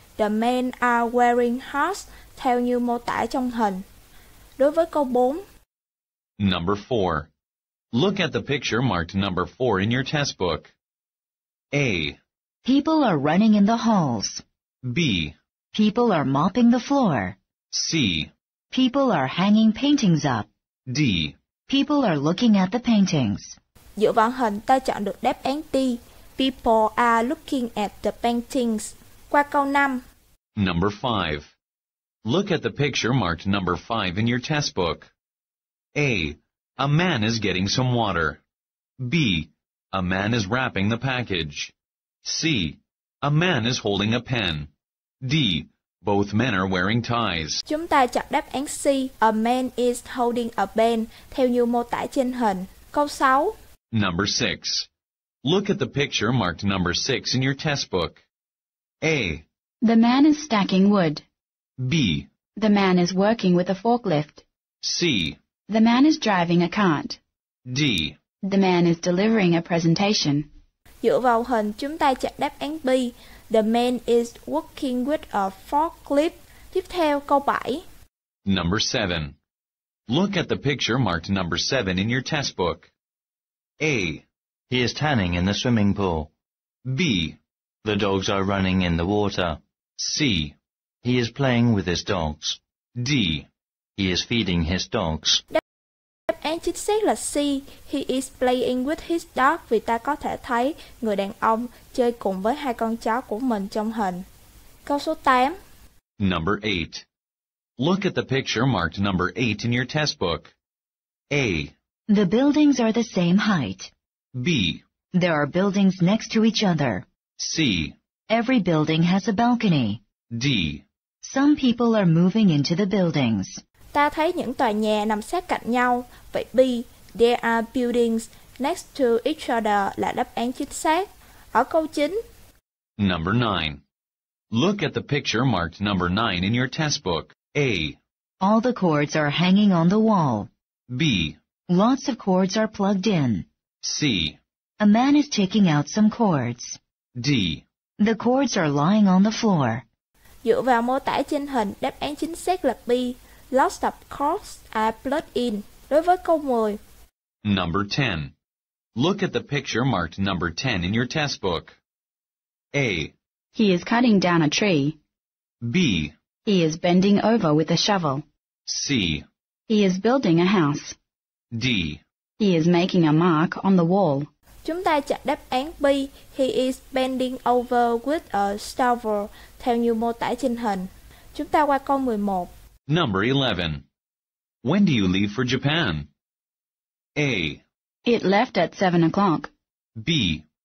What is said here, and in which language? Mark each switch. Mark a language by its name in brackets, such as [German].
[English] The men are wearing hats, [Vietnamese] theo như mô tả trong hình. Đối với câu 4. [English] Number 4. Look at the picture marked number 4 in your test book. A. People are running in the halls. B. People are mopping the floor. C. People are hanging paintings up. D. People are looking at the paintings. [Vietnamese] Dựa vào hình, ta chọn được đáp án D. [English] People are looking at the paintings. [Vietnamese] Qua câu 5. [English] Number 5. Look at the picture marked number 5 in your test book. A. A man is getting some water. B. A man is wrapping the package. C. A man is holding a pen. D. Both men are wearing ties. [Vietnamese] Chúng ta chọn đáp án C. [English] A man is holding a pen, [Vietnamese] theo như mô tả trên hình. Câu 6. [English] Number 6. Look at the picture marked number 6 in your test book. A. The man is stacking wood. B. The man is working with a forklift. C. The man is driving a cart. D. The man is delivering a presentation. [Vietnamese] Dựa vào hình, chúng ta chọn đáp án B. [English] The man is working with a forklift. [Vietnamese] Tiếp theo, câu 7. [English] Number 7. Look at the picture marked number 7 in your test book. A. He is tanning in the swimming pool. B. The dogs are running in the water. C. He is playing with his dogs. D. He is feeding his dogs. [Vietnamese] Đáp án chính xác là C. [English] He is playing with his dog, [Vietnamese] vì ta có thể thấy người đàn ông chơi cùng với hai con chó của mình trong hình. Câu số 8. [English] Number 8. Look at the picture marked number 8 in your test book. A. The buildings are the same height. B. There are buildings next to each other. C. Every building has a balcony. D. Some people are moving into the buildings. [Vietnamese] Ta thấy những tòa nhà nằm sát cạnh nhau. Vậy [English] B. There are buildings next to each other [Vietnamese] là đáp án chính xác. Ở câu 9. [English] Number 9. Look at the picture marked number 9 in your test book. A. All the cords are hanging on the wall. B. Lots of cords are plugged in. C. A man is taking out some cords. D. The cords are lying on the floor. [Vietnamese] Dựa vào mô tả trên hình, đáp án chính xác là B. [English] Lots of cords are plugged in. [Vietnamese] Đối với câu 10. [English] Number 10. Look at the picture marked number 10 in your test book. A. He is cutting down a tree. B. He is bending over with a shovel. C. He is building a house. D. He is making a mark on the wall. [Vietnamese] Chúng ta chọn đáp án B. [English] He is bending over with a shovel, [Vietnamese] theo như mô tả trên hình. Chúng ta qua câu 11. [English] Number 11. When do you leave for Japan? A. It left at 7 o'clock. B.